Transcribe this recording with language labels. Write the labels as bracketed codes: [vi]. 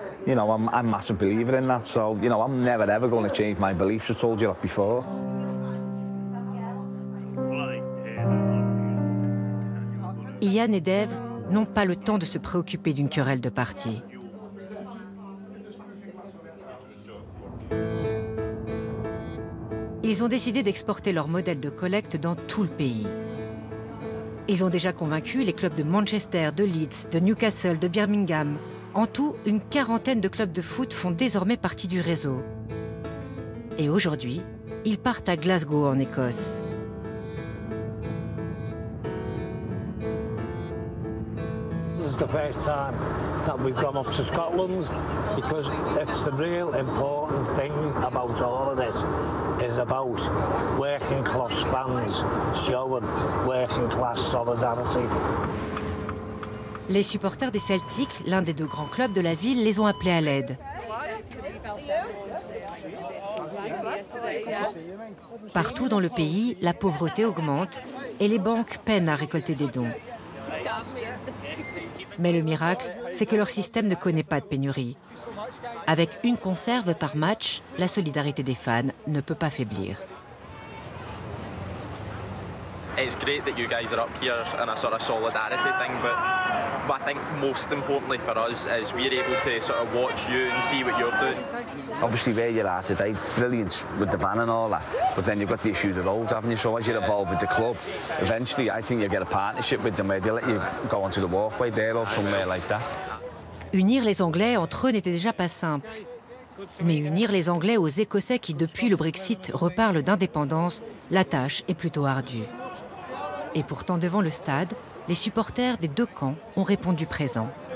[en] You know, I'm a massive believer in that. So, you know, I'm never, ever going to change my beliefs. I told you that before. [fr] Ian et Dev n'ont pas le temps de se préoccuper d'une querelle de parti. Ils ont décidé d'exporter leur modèle de collecte dans tout le pays. Ils ont déjà convaincu les clubs de Manchester, de Leeds, de Newcastle, de Birmingham. En tout, une quarantaine de clubs de foot font désormais partie du réseau. Et aujourd'hui, ils partent à Glasgow, en Écosse. [en] The first time that we've gone up to Scotland, because it's the real important thing about all of this is about working class fans showing working class solidarity. [fr] Les supporters des Celtics, l'un des deux grands clubs de la ville, les ont appelés à l'aide. Partout dans le pays, la pauvreté augmente et les banques peinent à récolter des dons. Mais le miracle, c'est que leur système ne connaît pas de pénurie. Avec une conserve par match, la solidarité des fans ne peut pas faiblir. [en] it's great that you guys are up here in a sort of solidarity thing, but I think most importantly for us is we're able to sort of watch you and see what you're doing. Obviously where you're at today, brilliant with the van and all that, but then you've got the issue of the road, haven't you? So as you're involved with the club, eventually I think you'll get a partnership with them where they'll let you go onto the walkway there or somewhere like that. [fr] Unir les Anglais entre eux n'était déjà pas simple. Mais unir les Anglais aux Écossais qui, depuis le Brexit, reparlent d'indépendance, la tâche est plutôt ardue. Et pourtant, devant le stade, les supporters des deux camps ont répondu présent.